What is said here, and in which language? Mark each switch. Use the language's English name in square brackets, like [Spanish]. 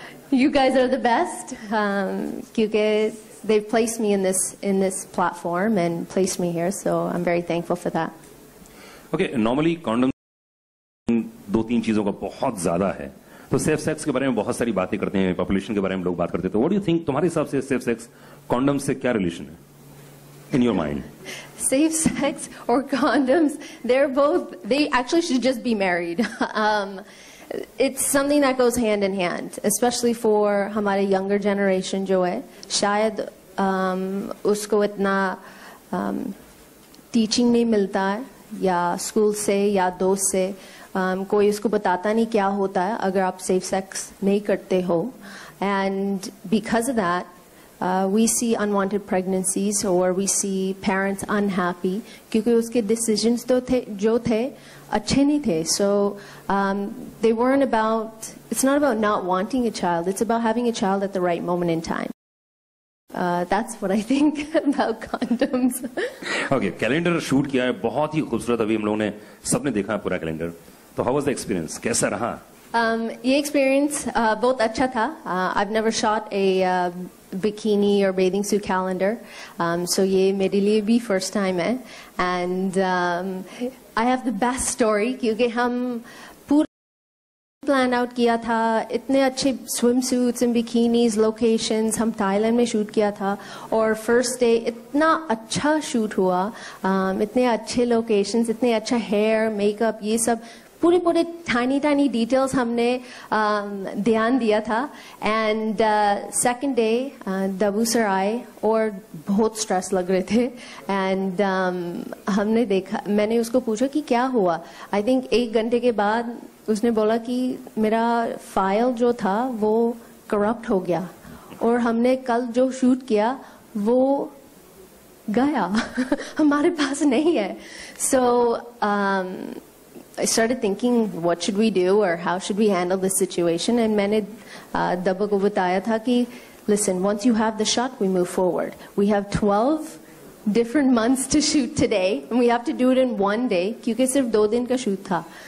[English] You guys are the best, kyunki they've placed me in this platform and placed me here, so I'm very thankful for that. [Hindi] Okay, normally condom do teen cheezon ka bahut zyada hai. तो safe sex के बारे में बहुत सारी बातें करते हैं, population के बारे में लोग बात करते हैं, तो [English] what do you think [Hindi] तुम्हारे हिसाब से सेफ सेक्स कॉन्डम से क्या रिलेशन है [English] In your mind? Safe sex और condoms, they're both, they actually should just be married. It's something that goes hand in hand, especially for [Hindi] हमारे younger generation जो है, शायद उसको इतना टीचिंग नहीं मिलता है, या स्कूल से या दोस्त से कोई उसको बताता नहीं क्या होता है अगर आप सेफ सेक्स नहीं करते हो. [English] and because of that we see unwanted pregnancies और we see parents unhappy, [Hindi] क्योंकि उसके डिसीजंस तो थे जो थे अच्छे नहीं थे. [English] So they weren't about, it's not about not wanting a child, it's about having a child at the right moment in time. That's what I think about condoms. [Hindi] Okay, calendar shoot किया है, बहुत ही खूबसूरत, अभी हम लोगों ने सबने देखा है पूरा calendar. [English] तो how was the experience? [Hindi] कैसा रहा? ये experience बहुत अच्छा था. [English] I've never shot a bikini or bathing suit calendar, so [Hindi] ये मेरे लिए भी first time है. [English] And I have the best story [Hindi] क्योंकि हम प्लान आउट किया था, इतने अच्छे swim suits and bikinis, locations, हम थाईलैंड में शूट किया था और फर्स्ट डे इतना अच्छा शूट हुआ, इतने अच्छे लोकेशंस, इतने अच्छा हेयर मेकअप, ये सब पूरे पूरे टाइनी टाइनी डिटेल्स हमने ध्यान दिया था. And second day Dabu sir आए और बहुत स्ट्रेस लग रहे थे. एंड हमने देखा, मैंने उसको पूछा कि क्या हुआ. आई थिंक एक घंटे के बाद उसने बोला कि मेरा फाइल जो था वो करप्ट हो गया और हमने कल जो शूट किया वो गया. हमारे पास नहीं है. [English] सो I started thinking, what should we do or how should we handle this situation? And [Hindi] मैंने दबा को बताया था कि [English] listen, once you have the shot, we move forward. We have 12 different months to shoot today and we have to do it in one day, [Hindi] क्योंकि सिर्फ दो दिन का शूट था.